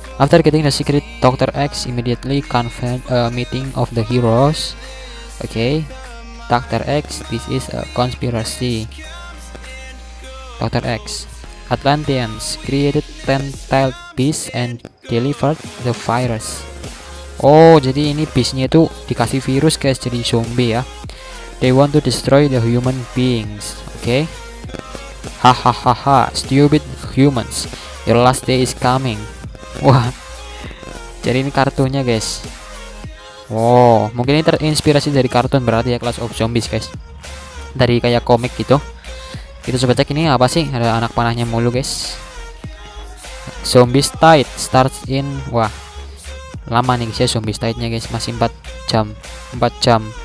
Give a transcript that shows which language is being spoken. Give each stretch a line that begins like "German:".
English: After getting the secret, Dr. X immediately convened a meeting of the heroes. Okay, Dr. X, this is a conspiracy. Dr. X, Atlanteans created 10 Toilet Beasts and delivered the virus.
Indonesian: Oh, jadi ini beastnya itu dikasih virus guys, jadi zombie ya.
English: They want to destroy the human beings. Okay. Hahaha, stupid humans, your last day is coming.
Indonesian: Wah, jadi ini kartunya guys. Wow, mungkin ini terinspirasi dari kartun berarti ya, Clash of Zombies guys, dari kayak komik gitu. Kita coba cek ini apa sih, ada anak panahnya mulu guys.
English: Zombies Tide starts in,
Indonesian: wah lama nih guys ya zombies tide nya guys, masih 4 jam.